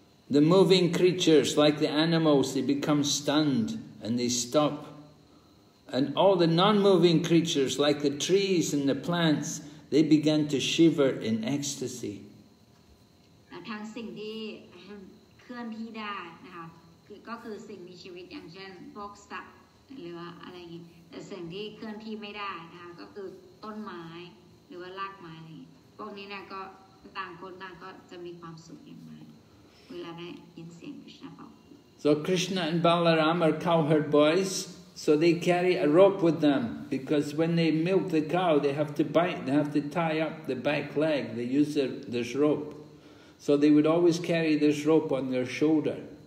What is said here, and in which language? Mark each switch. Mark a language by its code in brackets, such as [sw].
[en] The moving creatures, like the animals, they become stunned and they stop. And all the non-moving creatures, like the trees and the plants,They began to shiver in ecstasy. [th] ทั้งสิ่งที่เคลื่อนที่ได้นะคะก็คือสิ่งมีชีวิตอย่างเช่นพวกสัตว์หรือว่าอะไรอย่างนี้แต่สิ่งที่เคลื่อนที่ไม่ได้นะคะก็คือต้นไม้หรือว่ารากไม้พวกนี้เนี่ยก็ต่างคนต่างก็จะมีความสุขอย่างมากเวลาได้ยินเสียงคริชนาบอก [en] So Krishna and Balaram are cowherd boys. So they carry a rope with them because when they milk the cow, they have to bite, they have to tie up the back leg. They use this rope. So they would always carry this rope on their shoulder.